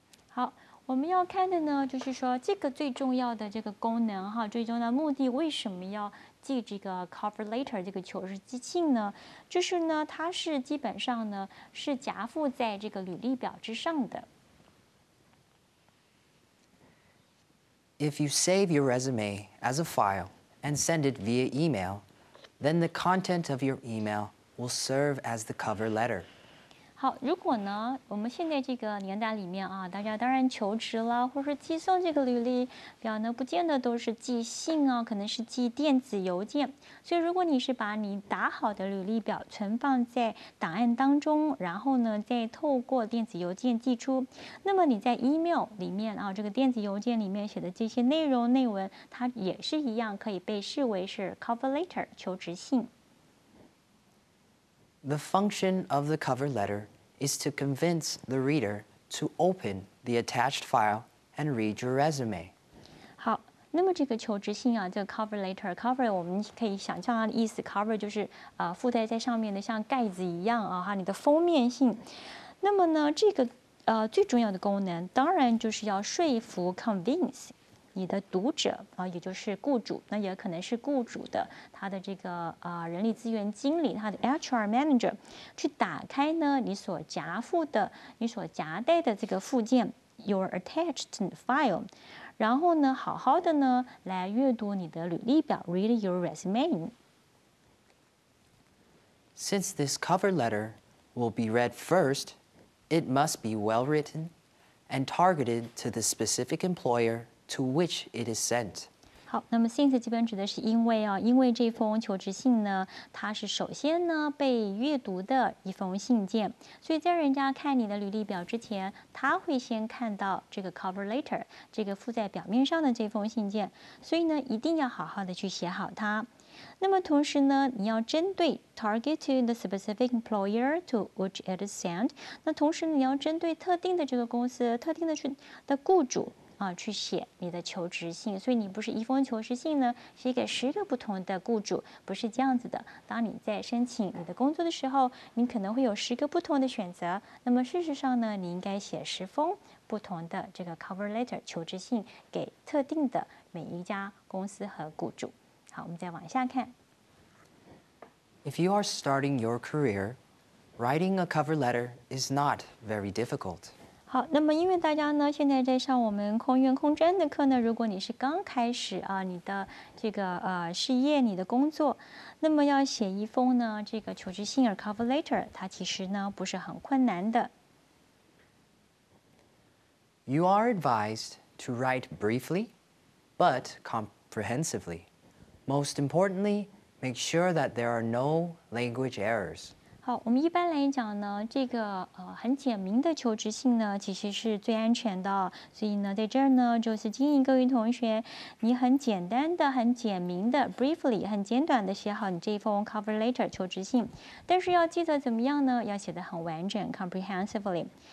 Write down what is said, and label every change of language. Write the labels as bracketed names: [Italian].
[Chinese] 好。我们要看的呢，就是说这个最重要的这个功能哈，最重要的目的，为什么要寄这个 cover letter 这个求职信呢？就是呢，它是基本上呢是夹附在这个履历表之上的。 [English] If you save your resume as a file and send it via email, then the content of your email will serve as the cover letter. [Chinese] 好，如果呢，我们现在这个年代里面啊，大家当然求职了，或是寄送这个履历表呢，不见得都是寄信啊，可能是寄电子邮件。所以，如果你是把你打好的履历表存放在档案当中，然后呢，再透过电子邮件寄出，那么你在 email 里面啊，这个电子邮件里面写的这些内容内文，它也是一样可以被视为是 cover letter 求职信。 [English] The function of the cover letter is to convince the reader to open the attached file and read your resume. [Chinese] 好，那么这个求职信啊，这个 cover letter，cover 我们可以想象它的意思 ，cover 就是附带在上面的，像盖子一样啊，哈，你的封面性。那么呢，这个最重要的功能，当然就是要说服 convince 你的读者啊，也就是雇主，那也可能是雇主的。他的这个人力资源经理，他的 HR manager， 去打开呢你所夹附的、你所夹带的这个附件 [English] your attached file， [Chinese] 然后呢好好的呢来阅读你的履历表 [English] read your resume。 Since this cover letter will be read first, It must be well written and targeted to the specific employer to which it is sent. [Chinese] 好，那么 since 基本指的是因为哦，因为这封求职信呢，它是首先呢被阅读的一封信件，所以在人家看你的履历表之前，他会先看到这个 cover letter， 这个附在表面上的这封信件，所以呢一定要好好的去写好它。那么同时呢，你要针对 [English] target to the specific employer to which it is sent， [Chinese] 那同时你要针对特定的这个公司，特定的去的雇主。去写你的求职信，所以你不是一封求职信呢，写给十个不同的雇主，不是这样子的。当你在申请你的工作的时候，你可能会有十个不同的选择。那么事实上呢，你应该写十封不同的这个 cover letter 求职信给特定的每一家公司和雇主。好，我们再往下看。 [English] If you are starting your career, writing a cover letter is not very difficult. [Chinese] 好，那么因为大家呢现在在上我们空运空专的课呢，如果你是刚开始啊，你的这个事业，你的工作，那么要写一封呢这个求职信 cover letter， 它其实呢不是很困难的。 [English] You are advised to write briefly, but comprehensively. Most importantly, make sure that there are no language errors. [Chinese] 好，我们一般来讲呢，这个很简明的求职信呢，其实是最安全的。所以呢，在这儿呢，就是建议各位同学，你很简单的、很简明的 ，briefly， 很简短的写好你这封 cover letter 求职信。但是要记得怎么样呢？要写得很完整 ，comprehensively。